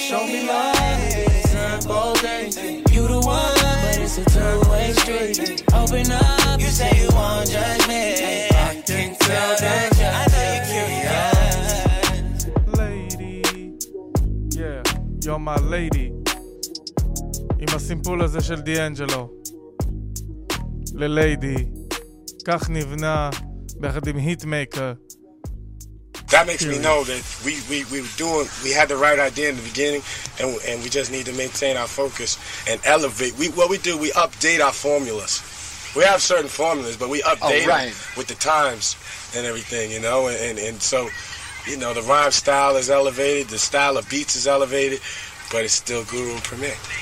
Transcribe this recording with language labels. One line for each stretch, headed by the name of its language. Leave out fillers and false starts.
English: Show me love, you the one, but it's a two-way street. Open up, you say you won't judge me. I can tell that you, I know you're curious. Lady, yeah, you're my lady.
Hebrew: עם הסימפול הזה של דיאנג'לו ללדי, כך נבנה ביחד עם היטמייקר.
English: That makes me know that we had the right idea in the beginning, and we just need to maintain our focus and elevate. We update our formulas. We have certain formulas, but we update them with the times and everything, you know, and so, you know, the rhyme style is elevated, the style of beats is elevated, but it's still Guru and Premier.